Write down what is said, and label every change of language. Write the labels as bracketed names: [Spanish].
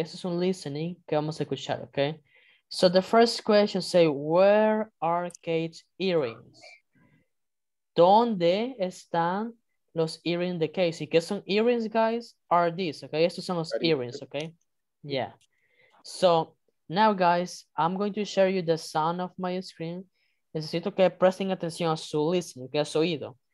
[Spanish] Esto es un listening que vamos a escuchar, okay? [English] So the first question say, where are Kate's earrings? [Spanish] ¿Dónde están los earrings de Casey? ¿Qué son earrings, [English] guys? Are these, okay? [Spanish] Estos son los earrings, [English] okay? Yeah. So, now, guys, I'm going to share you the sound of my screen. [Spanish] Necesito que presten atención a su listening, que a su oído.